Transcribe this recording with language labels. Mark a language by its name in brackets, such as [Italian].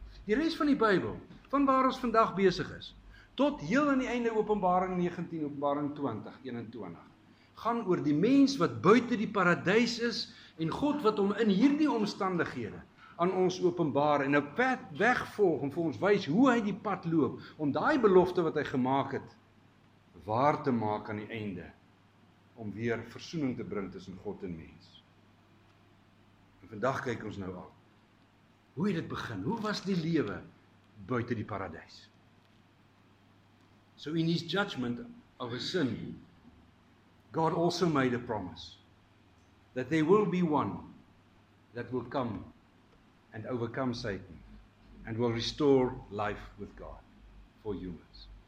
[Afrikaans] Die res van die Bybel, van waar ons vandag besig is, tot heel aan die einde Openbaring 19, Openbaring 20, 21, gaan oor die mens wat buite die paradys is, en God wat hom in hierdie omstandighede aan ons openbaar en 'n pad wegvolg en vir ons wys hoe hy die pad loop, om daai belofte wat hy gemaak het, waar te maak aan die einde, om weer versoening te bring tussen God en mens. En vandag kyk ons nou al, hoe het dit begin? Hoe was die lewe buite die paradys? [English] So in his judgment of a sin, God also made a promise that there will be one that will come and overcome Satan and will restore life with God for humans.